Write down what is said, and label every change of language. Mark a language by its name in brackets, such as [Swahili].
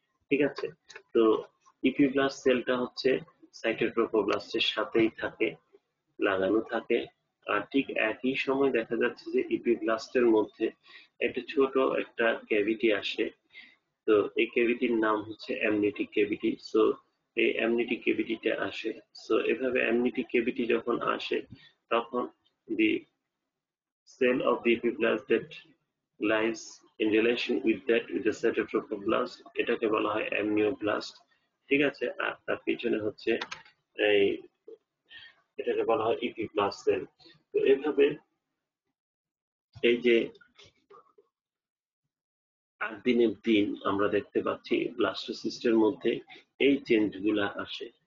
[Bangla] ঠিক আছে, তো ইপিব্লাস্ট সেলটা হচ্ছে সাইটোট্রোপোব্লাস্টের সাথেই থাকে, লাগানো থাকে, আর ঠিক একই সময় দেখা যাচ্ছে যে ইপিব্লাস্টের মধ্যে একটা ছোট একটা ক্যাভিটি আসে। তো এই ক্যাভিটির নাম হচ্ছে অ্যামনিটিক ক্যাভিটি। সো এই অ্যামনিটিক ক্যাভিটিতে আসে, সো এভাবে অ্যামনিটিক ক্যাভিটি যখন আসে তখন [English] The cell of the epiblast that lies in relation with that with the set of trophoblast. [Bangla] এটাকে বলা হয় amnioblast. ঠিক আছে, আর তার পিছনে হচ্ছে এই এটাকে বলা হয় epiblast cell. তো এভাবে এই যে দিনের দিন আমরা দেখতে পাচ্ছি ব্লাস্টোসিস্টের মধ্যে এই চেঞ্জগুলো আসে.